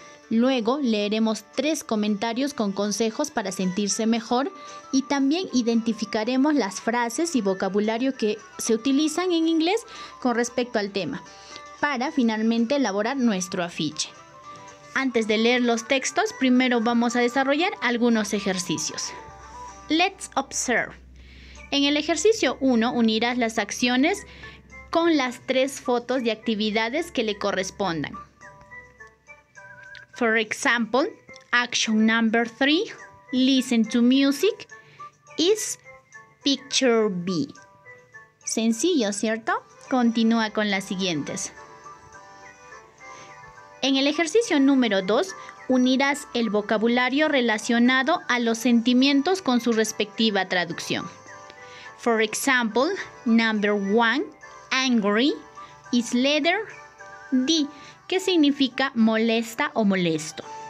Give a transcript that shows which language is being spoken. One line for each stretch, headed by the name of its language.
Spanish: Luego leeremos tres comentarios con consejos para sentirse mejor y también identificaremos las frases y vocabulario que se utilizan en inglés con respecto al tema, para finalmente elaborar nuestro afiche. Antes de leer los textos, primero vamos a desarrollar algunos ejercicios.
English: Let's observe.
Spanish: En el ejercicio 1, unirás las acciones con las tres fotos de actividades que le correspondan.
English: For example, action number 3, listen to music, is picture B.
Spanish: Sencillo, ¿cierto? Continúa con las siguientes. En el ejercicio número 2, unirás el vocabulario relacionado a los sentimientos con su respectiva traducción.
English: For example, number 1, angry, is letter D,
Spanish: que significa molesta o molesto.